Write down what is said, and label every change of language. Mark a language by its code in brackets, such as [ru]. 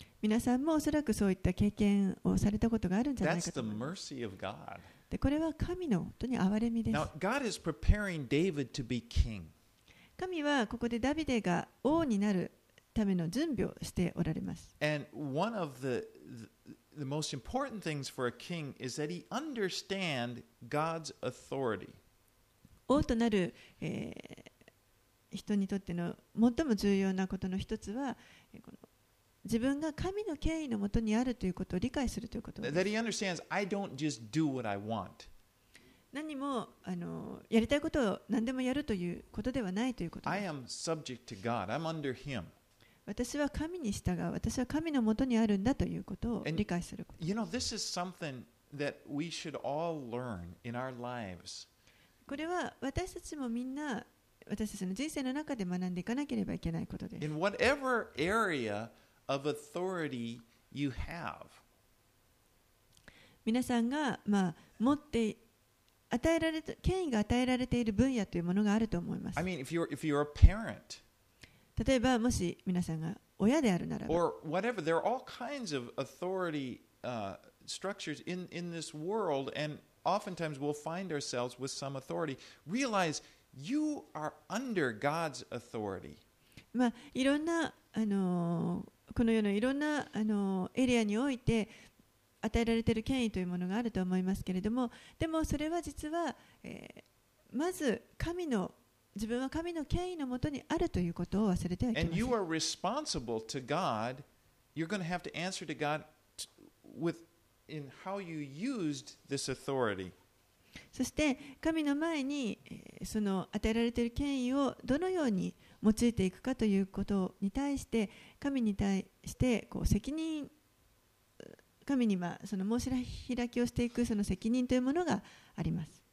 [ja] 皆さんもおそらくそういった経験をされたことがあるんじゃないかと思います。 [en] That's the mercy of God. [ja] でこれは神の本当に憐れみです。 [en] Now, God is preparing David to be king. [ja] 神はここでダビデが王になるための準備をしておられます。 [en] And one of the The most important things for a king is that he understand God's authority. [ja] 王となる、人にとっての最も重要なことの一つは、この自分が神の権威のもとにあるということを理解するということです。 [en] That he understands I don't just do what I want. [ja] 何もやりたいことを何でもやるということではないということです。 [en] I am subject to God. I'm under him. [ja] 私は神に従う、私は神のもとにあるんだということを理解すること。 [en] You know, this is something that we should all learn in our lives. [ja] これは私たちもみんな私たちの人生の中で学んでいかなければいけないことです。 [en] In whatever area of authority you have. [ja] 皆さんが、まあ、持って与えられた権威が与えられている分野というものがあると思います。 [en] I mean, if you're a parent. [ja] 例えばもし皆さんが親であるならば、 [en] or whatever, there are all kinds of authority structures in this world, and oftentimes we'll find ourselves with some authority. Realize you are under God's authority. [ja] まあいろんなこの世のいろんなエリアにおいて与えられている権威というものがあると思いますけれども、でもそれは実は、まず神の自分は神の権威のもとにあるということを忘れてはいけません。 [en] And you are responsible to God. You're going to have to answer to God with in how you used this authority. [ja] そして神の前にその与えられている権威をどのように用いていくかということに対して神に対してこう責任、神にまあその申し開きをしていくその責任というものがあります。